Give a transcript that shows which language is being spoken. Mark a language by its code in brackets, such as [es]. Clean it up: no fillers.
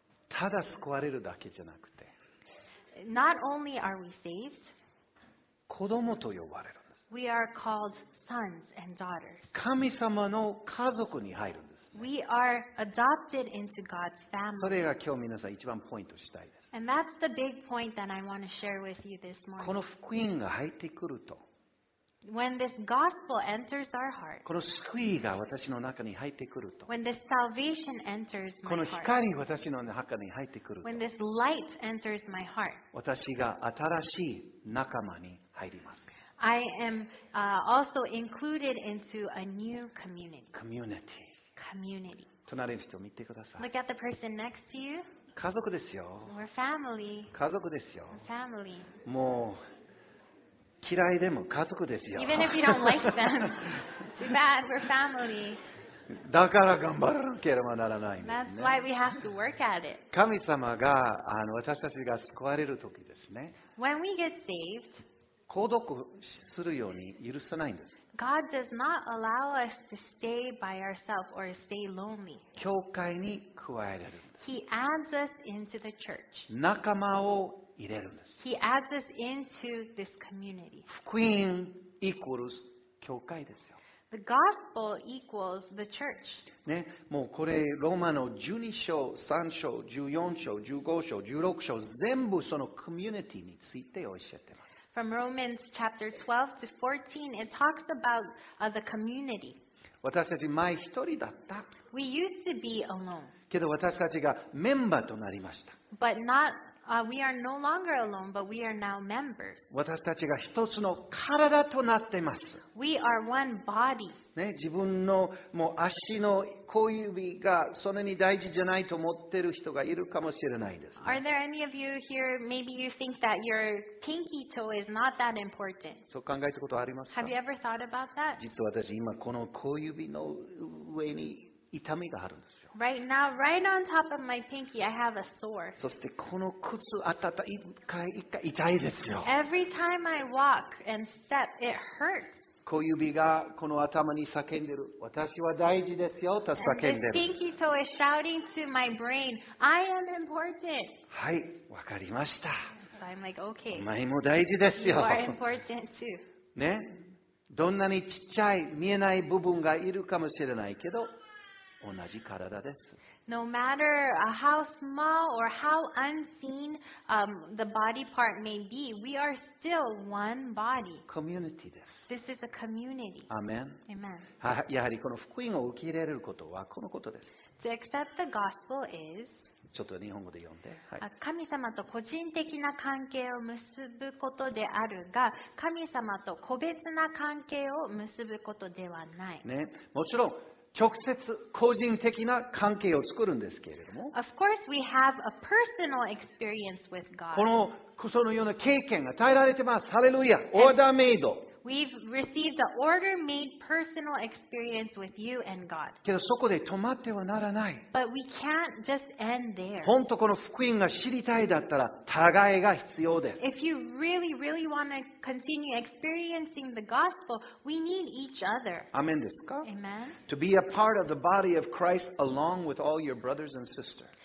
[ja] ただ救われるだけじゃなくて、 [en] Not only are we saved, [ja] 子供と呼ばれる。 [en] We are called sons and daughters. [ja] 神様の家族に入るんです、ね。 [en] We are adopted into God's family. [ja] それが今日皆さん一番ポイントしたいです。 [en] And that's the big point that I want to share with you this morning. [ja] この福音が入ってくると、 [en] When this gospel enters our heart, [ja] この救いが私の中に入ってくると、 [en] When this salvation enters my heart, [ja] この光私の中に入ってくると、 [en] When this light enters my heart, [ja] 私が新しい仲間に入ります。 [en] I am also included into a new community. Community. Community. [ja] 隣の人を見てください。 [en] Look at the person next to you. [ja] 家族ですよ。 [en] We're family. [ja] 家族ですよ。 [en] We're family. [ja] もう嫌いでも家族ですよ。 [en] Even if you don't like them, too bad. We're family. [ja] だから頑張らなければならない、ね。 [en] That's why we have to work at it. [ja] 神様が私たちが救われる時ですね。 [en] When we get saved. [ja] 孤独するように許さないんです。 [en] God does not allow us to stay by ourselves or stay lonely. [ja] 教会に加えられるんです。 [en] He adds us into the church. [ja] 仲間を入れるんです。 [en] He adds us into this community. [ja] 福音イコール教会ですよ。 [en] The gospel equals the church. [ja] ね、もうこれローマの12章、3章、14章、15章、16章、全部そのコミュニティについて教えてます。 [en] From Romans chapter 12 to 14, it talks about the community. [ja] 私たち前一人だった。 [en] We used to be alone. [ja] けど私たちがメンバーとなりました。 [en] But not, we are no longer alone, but we are now members. [ja] 私たちが一つの体となっています。 [en] We are one body. [ja] ね、自分のもう足の小指がそんなに大事じゃないと思っている人がいるかもしれないです、ね。 [en] Are there any of you here? Maybe you think that your pinky toe is not that important. [ja] そう考えたことありますか？ [en] Have you ever thought about that? [ja] 実は私今この小指の上に痛みがあるんですよ。 [en] Right now, right on top of my pinky, I have a sore. [ja] そしてこの靴あたた一回一回痛いですよ。 [en] Every time I walk and step, it hurts. [ja] 小指がこの頭に叫んでる。私は大事ですよと叫んでる。 [en] Pinky toe is shouting to my brain, I am important. [ja] はい、わかりました。 [en] So I'm like, okay. [ja] お前も大事ですよ。 [en] You are important too. [ja] ね、どんなにちっちゃい見えない部分がいるかもしれないけど、同じ体です。 [en] No matter how small or how unseen the body part may be, we are still one body. [ja] Community です。 [en] This is a community. Amen. Amen. [ja] やはりこの福音を受け入れることはこのことです。 [en] To accept the gospel is. [ja] ちょっと日本語で読んで。はい。神様と個人的な関係を結ぶことであるが、神様と個別な関係を結ぶことではない。ね、もちろん。直接個人的な関係を作るんですけれども、 [en] of course we have a personal experience with God. [ja] このそのような経験が与えられてます。ハレルヤ、オーダーメイド。 [en] We've received the order-made personal experience with you and God. [ja] けどそこで止まってはならない。 [en] But we can't just end there. [ja] 本当この福音が知りたいだったら互いが必要です。 [en] If you really, really want to continue experiencing the gospel, we need each other. [ja] Amen ですか? [en] Amen. To be a part of the body of Christ along with all your brothers and sisters.